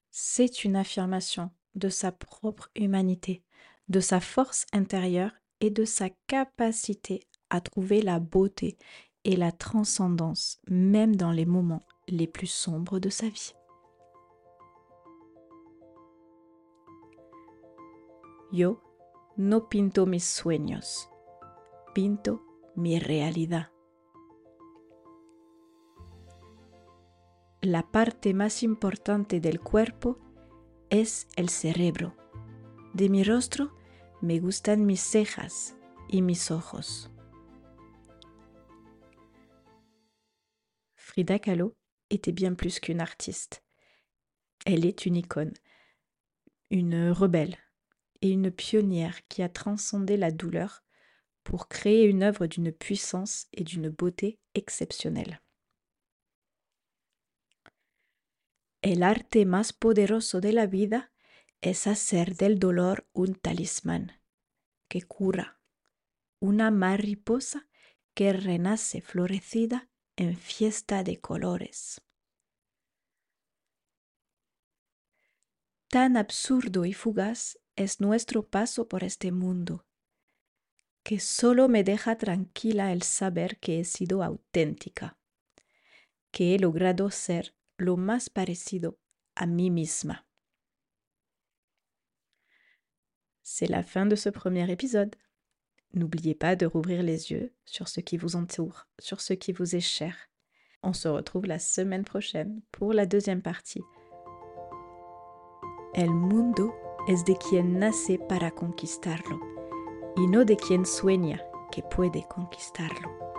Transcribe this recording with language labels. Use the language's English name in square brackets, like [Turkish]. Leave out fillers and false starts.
[French] C'est une affirmation de sa propre humanité, de sa force intérieure et de sa capacité à trouver la beauté et la transcendance, même dans les moments les plus sombres de sa vie. [Spanish] Yo no pinto mis sueños, pinto mi realidad. La parte más importante del cuerpo es el cerebro. De mi rostro me gustan mis cejas y mis ojos. [French] Frida Kahlo était bien plus qu'une artiste. Elle est une icône, une rebelle et une pionnière qui a transcendé la douleur pour créer une œuvre d'une puissance et d'une beauté exceptionnelles. [Spanish] El arte más poderoso de la vida es hacer del dolor un talismán que cura, una mariposa que renace florecida en fiesta de colores. Tan absurdo y fugaz es nuestro paso por este mundo, que solo me deja tranquila el saber que he sido auténtica, que he logrado ser lo más parecido a mí misma. [French] C'est la fin de ce premier épisode. N'oubliez pas de rouvrir les yeux sur ce qui vous entoure, sur ce qui vous est cher. On se retrouve la semaine prochaine pour la deuxième partie. [Spanish] El mundo es de quien nace para conquistarlo, y no de quien sueña que puede conquistarlo.